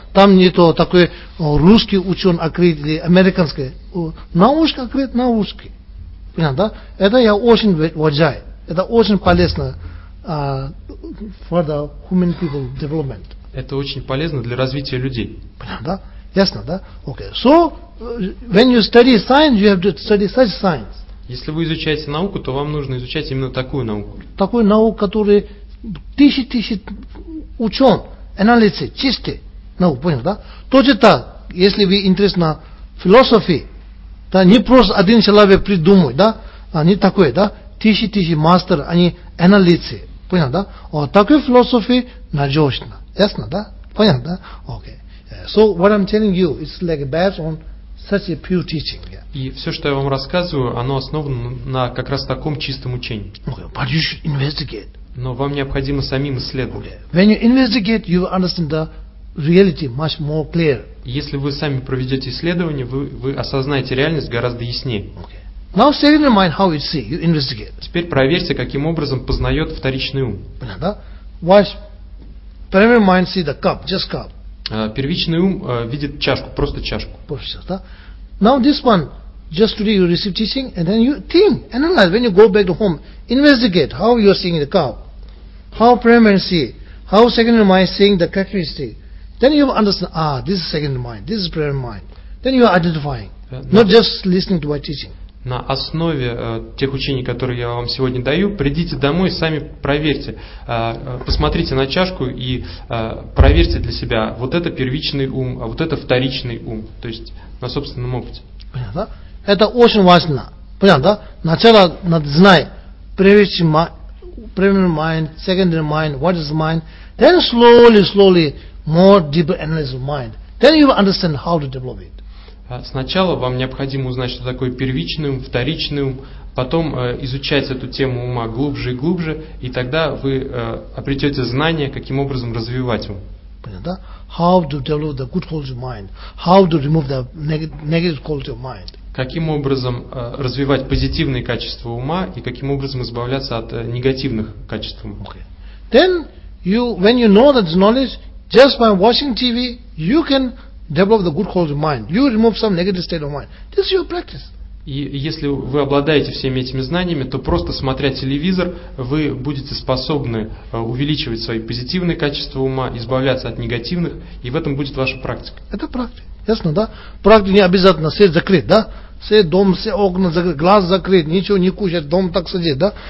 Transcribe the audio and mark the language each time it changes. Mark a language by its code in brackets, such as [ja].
[ru] Там нету такой русский ученый открыт или американский. Наушка открыт на ушки. Понятно, да? Это я очень уважаю. Это очень полезно [en] for the human people development. [ru] Это очень полезно для развития людей. Понятно, да? Ясно, да? Okay. [en] So when you study science, you have to study such science. [ru] Если вы изучаете науку, то вам нужно изучать именно такую науку. Такую науку, которая. Тысячи-тысячи ученых, аналитики, чистые науки, понял, да? Тоже так, если вы интересны философии, да, не просто один человек придумает, да? Они такое, да? Тысячи-тысячи мастеров, они аналитики, понял, да? Такой философии надежно, ясно, да? Понял, да? Окей. [en] So, what I'm telling you, it's like based on such a pure teaching. Yeah. [ru] И все, что я вам рассказываю, оно основано на как раз таком чистом учении. [en] Okay, but you should investigate. [ru] Но вам необходимо самим исследовать. [en] When you investigate, you understand the reality much more clear. [ru] Если вы сами проведете исследование, вы осознаете реальность гораздо яснее. [en] Okay. Now see in your mind how you see, you investigate. [ru] Теперь проверьте, каким образом познает вторичный ум. Понятно? [en] Watch primary mind see the cup, just cup. [ru] Первичный ум видит чашку, просто чашку. Просто, да? [en] Now this one, just today you receive teaching, and then you think, analyze. When you go back to home, investigate how you are seeing the cow, how primary see, how secondary mind seeing the characteristic. Then you understand. This is secondary mind. This is primary mind. Then you are identifying, not just listening to my teaching. [ru] На основе тех учений, которые я вам сегодня даю, придите домой и сами проверьте. Посмотрите на чашку и проверьте для себя, вот это первичный ум, а вот это вторичный ум, то есть на собственном опыте. Понятно? Это очень важно. Понятно, да? Сначала надо знать [en] primary mind, secondary mind, what is mind. Then slowly, more deeper analysis of mind. Then you will understand how to develop it. [ru] Сначала вам необходимо узнать, что такое первичный ум, вторичный ум, потом изучать эту тему ума глубже и глубже, и тогда вы обретете знания, каким образом развивать ум. Понятно? [en] How to develop the good quality of mind? How to remove the negative quality of mind? [ru] Каким образом развивать позитивные качества ума и каким образом избавляться от негативных качеств ума? [en] Okay. Then you, when you know that knowledge, just by watching TV, you can develop the good quality of mind. You remove some negative state of mind. This is your practice. [ru] И если вы обладаете всеми этими знаниями, то просто смотря телевизор, вы будете способны увеличивать свои позитивные качества ума, избавляться от негативных, и в этом будет ваша практика. Это практика, ясно, да? Практика не обязательно свет закрыть, да? Все дом, все окна закрыть, глаз закрыть, ничего не кушать, дом так сидеть, да?